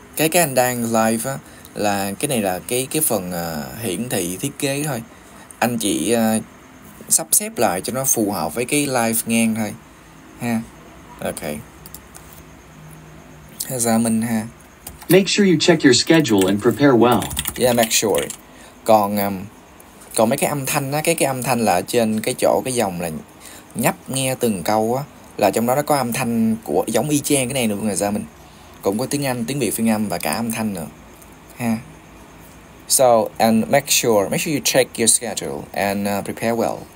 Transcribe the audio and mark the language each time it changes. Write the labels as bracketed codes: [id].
[vi] Cái anh đang live á là cái này là cái phần hiển thị thiết kế thôi. Anh chỉ sắp xếp lại cho nó phù hợp với cái live ngang thôi ha. Ok. Gia Minh ha. [en] Make sure you check your schedule and prepare well. Yeah, make sure. [vi] Còn mấy cái âm thanh á, cái âm thanh là trên cái chỗ cái dòng là nhấp nghe từng câu á, là trong đó nó có âm thanh của giống y chang cái này nữa người Gia Minh. Cũng có tiếng Anh, tiếng Việt phiên âm và cả âm thanh nữa. Ha. [en] So, and make sure you check your schedule and prepare well.